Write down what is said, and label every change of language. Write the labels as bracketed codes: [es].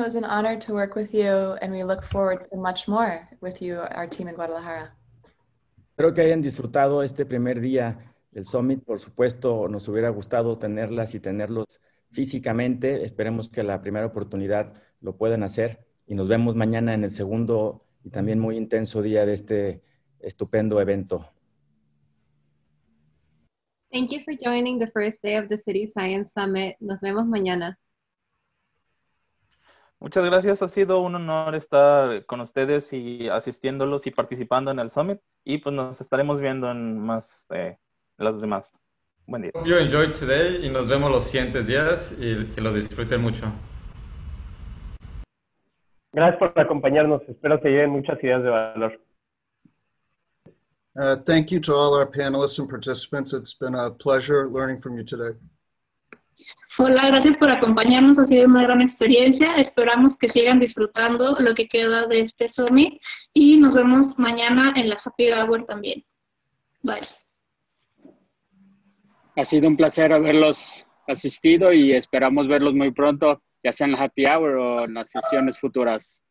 [en] It was an honor to work with you, and we look forward to much more with you, our team in Guadalajara. [es] Espero que hayan disfrutado este primer día. El Summit, por supuesto, nos hubiera gustado tenerlas y tenerlos físicamente. Esperemos que la primera oportunidad lo puedan hacer. Y nos vemos mañana en el segundo y también muy intenso día de este estupendo evento. [en] Thank you for joining the first day of the City Science Summit. [es] Nos vemos mañana. Muchas gracias. Ha sido un honor estar con ustedes y asistiéndolos y participando en el Summit. Y pues nos estaremos viendo en más... Los demás. Buen día. [en] Hope you enjoyed today [es] y nos vemos los siguientes días y que lo disfruten mucho. Gracias por acompañarnos. Espero que lleguen muchas ideas de valor. [en] Thank you to all our panelists and participants. It's been a pleasure learning from you today. [es] Hola, gracias por acompañarnos. Ha sido una gran experiencia. Esperamos que sigan disfrutando lo que queda de este Summit y nos vemos mañana en la Happy Hour también. [en] Bye. [es] Ha sido un placer haberlos asistido y esperamos verlos muy pronto, ya sea en la Happy Hour o en las sesiones futuras.